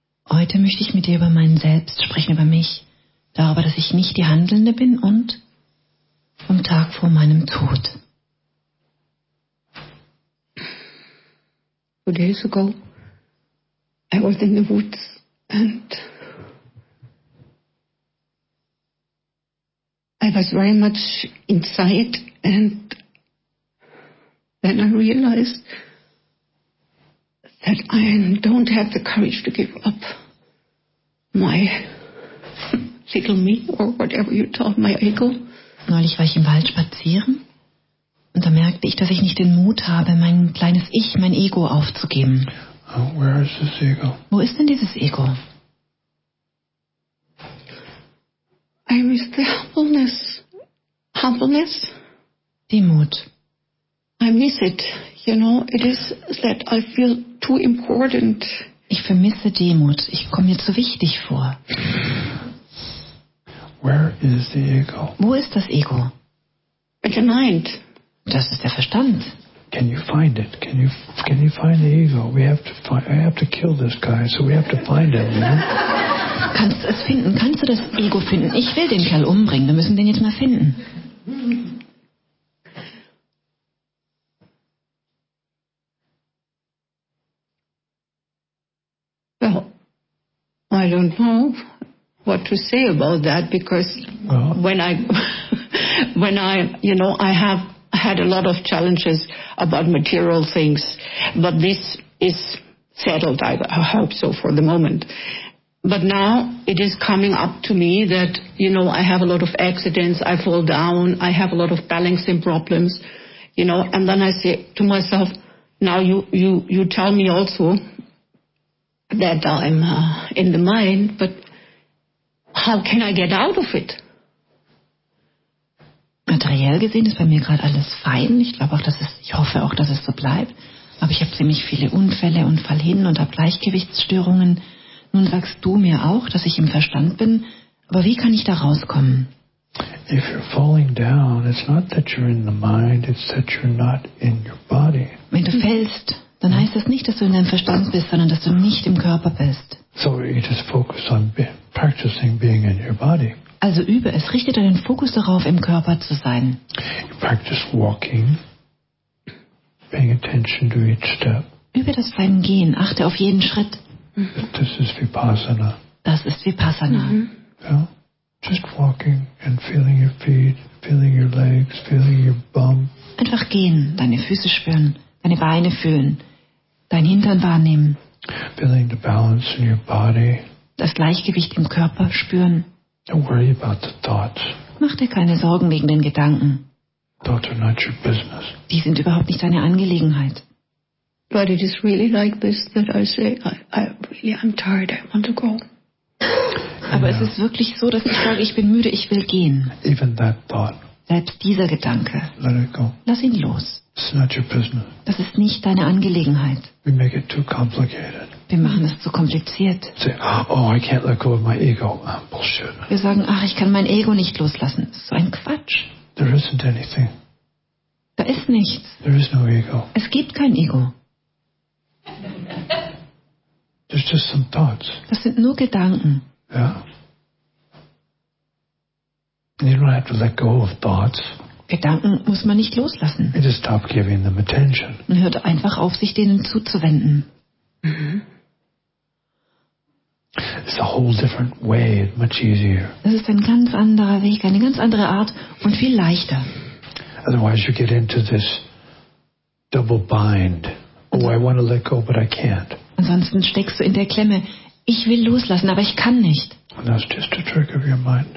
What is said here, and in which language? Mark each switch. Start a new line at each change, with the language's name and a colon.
German: Heute möchte ich mit dir über mein Selbst sprechen, über mich. Darüber, dass ich nicht die Handelnde bin und vom Tag vor meinem Tod.
English: 2 days ago, I was in the woods and I was very much inside and then I realized that I don't have the courage to give up my little me or whatever you call my ego.
German: Neulich war ich im Wald spazieren und da merkte ich, dass ich nicht den Mut habe, mein kleines Ich, mein Ego aufzugeben.
English: Where is this ego?
German: Wo ist denn dieses Ego?
English: I miss the humbleness. Humbleness?
German: Demut.
English: I miss it, you know, it is that I feel too important.
German: Ich vermisse Demut, ich komme mir zu wichtig vor.
English: Where is the ego?
German: Wo ist das Ego?
English: It's the mind.
German: Das ist der Verstand.
English: Can you find it? Can you find the ego? I have to kill this guy, so we have to find him, you know?
German: Kannst du es finden? Kannst du das Ego finden? Ich will den Kerl umbringen, wir müssen den jetzt mal finden.
English: I don't know what to say about that because I have had a lot of challenges about material things, but this is settled, I hope so, for the moment. But now it is coming up to me that, you know, I have a lot of accidents, I fall down, I have a lot of balancing problems, you know, and then I say to myself, now you tell me also that I'm in the mind, but how can I get out of it?
German: Materiell gesehen ist bei mir gerade alles fein. Ich hoffe auch, dass es so bleibt. Aber ich habe ziemlich viele Unfälle und fall hin und habe Gleichgewichtsstörungen. Nun sagst du mir auch, dass ich im Verstand bin. Aber wie kann ich da rauskommen?
English: If you're falling down, it's not that you're in the mind, it's that you're not in your body.
German: Wenn du fällst, dann heißt das nicht, dass du in deinem Verstand bist, sondern dass du nicht im Körper bist.
English: So you just focus on practicing being in your body.
German: Also übe es, richte deinen Fokus darauf, im Körper zu sein.
English: You practice walking, paying attention to each step.
German: Übe das beim Gehen, achte auf jeden Schritt.
English: This is Vipassana.
German: Das ist Vipassana. Mm-hmm.
English: Yeah. Just walking and feeling your feet, feeling your legs, feeling your bum.
German: Einfach gehen, deine Füße spüren. Deine Beine fühlen, dein Hintern wahrnehmen,
English: feeling the balance in your body,
German: das Gleichgewicht im Körper spüren.
English: Don't worry about the thoughts.
German: Mach dir keine Sorgen wegen den Gedanken.
English: Thoughts are not your business.
German: Die sind überhaupt nicht deine Angelegenheit.
English: But it is really like this that I say, I'm tired, I want to go.
German: Aber es ist wirklich so, dass ich sage, ich bin müde, ich will gehen.
English: Even that thought.
German: Selbst dieser Gedanke.
English: Let it go.
German: Lass ihn los.
English: It's not your business.
German: Das ist nicht deine Angelegenheit.
English: We make it too complicated.
German: Wir machen es zu kompliziert.
English: Say, oh, I can't let go of my ego. Bullshit.
German: Wir sagen, ach, ich kann mein Ego nicht loslassen. Das ist so ein Quatsch.
English: There isn't anything.
German: Da ist nichts.
English: There is no ego.
German: Es gibt kein Ego.
English: There's just some thoughts.
German: Das sind nur Gedanken. Ja. Yeah.
English: You don't have to let go of thoughts.
German: Gedanken muss man nicht loslassen.
English: You just stop giving them attention.
German: Man hört einfach auf, sich denen zuzuwenden.
English: Mm-hmm. It's a whole different way, much easier.
German: Das ist ein ganz anderer Weg, eine ganz andere Art und viel leichter.
English: Otherwise you get into this double bind. Oh, I want to let go, but I can't.
German: Ansonsten steckst du in der Klemme. Ich will loslassen, aber ich kann nicht.
English: And that's just a trick of your mind.